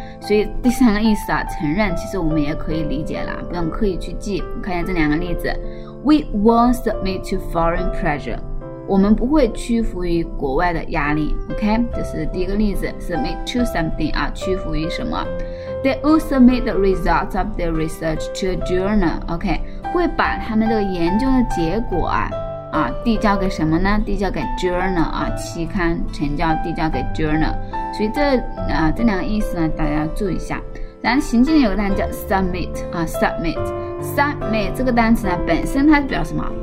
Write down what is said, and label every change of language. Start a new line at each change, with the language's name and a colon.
Chinese: 所以第三个意思啊，承认，其实我们也可以理解了，不用刻意去记。看一下这两个例子，
English: We won't submit to foreign pressure，
Chinese: 我们不会屈服于国外的压力。 OK， 这是第一个例子，
English: submit to something
Chinese: 啊，屈服于什么。
English: They will submit the results of their research to a journal.
Chinese: OK， 会把他们这个研究的结果啊递交给什么呢？递交给 journal 啊，期刊成交递交给 journal。所以这两个意思呢，大家要注意一下。然后行进有个单词叫 submit 啊 ，submit 这个单词呢，本身它表示什么？